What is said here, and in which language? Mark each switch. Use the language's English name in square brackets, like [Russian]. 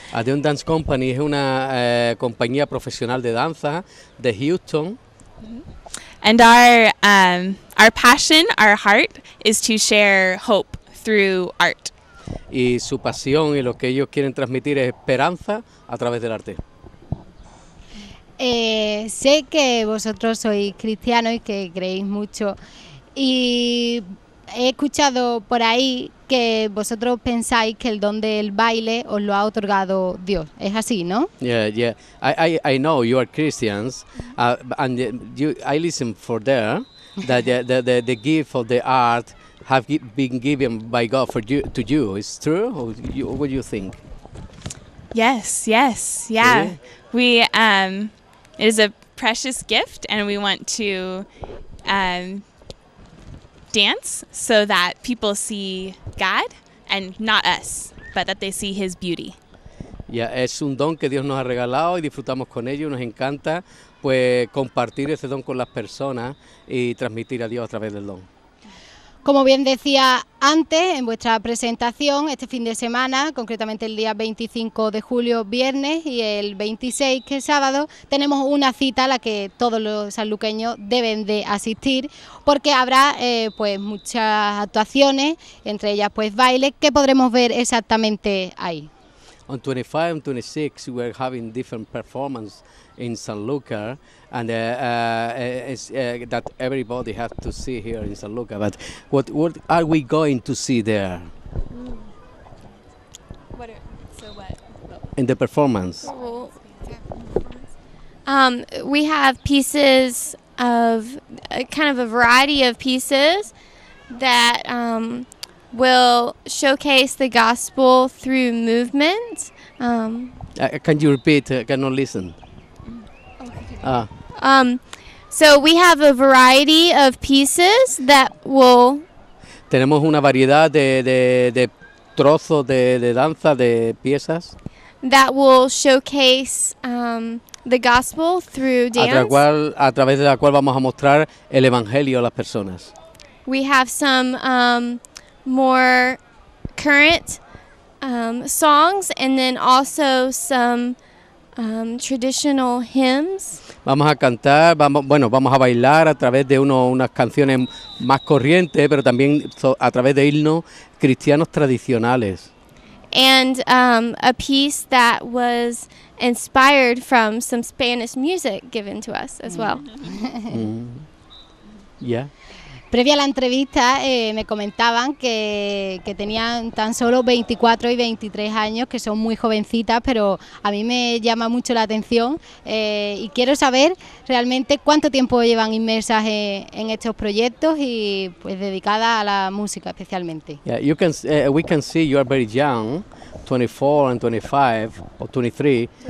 [Spanish] Ad Deum Dance Company es una compañía profesional de danza de Houston. [English] And our passion, our heart, is to share hope through art. [Spanish] Y su pasión y lo que ellos quieren transmitir es esperanza a través del arte. Sé que vosotros sois cristianos y que creéis mucho. Y he escuchado por ahí que vosotros pensáis que el don del baile os lo ha otorgado Dios. Es así, ¿no? [English] I know you are Christians, and I listen for there that the gift of the art have been given by God for you, to you. Is true? What do you think? Yes. Yeah. Really? It is a precious gift, and we want to dance so that people see God and not us, but that they see His beauty. [Spanish] Yeah, es un don que Dios nos ha regalado y disfrutamos con ello. Nos encanta pues compartir ese don con las personas y transmitir a Dios a través del don. Como bien decía antes en vuestra presentación, este fin de semana, concretamente el día 25 de julio, viernes, y el 26, que es sábado, tenemos una cita a la que todos los sanluqueños deben de asistir, porque habrá pues muchas actuaciones, entre ellas pues baile. ¿Qué podremos ver exactamente ahí? [English] On 25 and 26, we're having different performances in Sanlúcar, and that everybody has to see here in Sanlúcar. But what are we going to see there? What? In the performance. We have pieces of kind of a variety of pieces that will showcase the gospel through movement. Can you repeat? I cannot listen. So we have a variety of pieces that will. [Spanish] Tenemos una variedad de trozos de danza de piezas. [English] That will showcase the gospel through dance. [Spanish] A través de la cual vamos a mostrar el evangelio a las personas. [English] We have some more current songs, and then also some traditional hymns. [Spanish] Vamos a cantar, vamos a bailar a través de unas canciones más corrientes, pero también a través de himnos cristianos tradicionales. [English] And a piece that was inspired from some Spanish music given to us as well. Yeah. [Spanish] Previa a la entrevista me comentaban que tenían tan solo 24 y 23 años, que son muy jovencitas, pero a mí me llama mucho la atención y quiero saber realmente cuánto tiempo llevan inmersas en estos proyectos y pues dedicadas a la música especialmente. [English] Yeah, you can we can see you are very young, 24 and 25 or 23.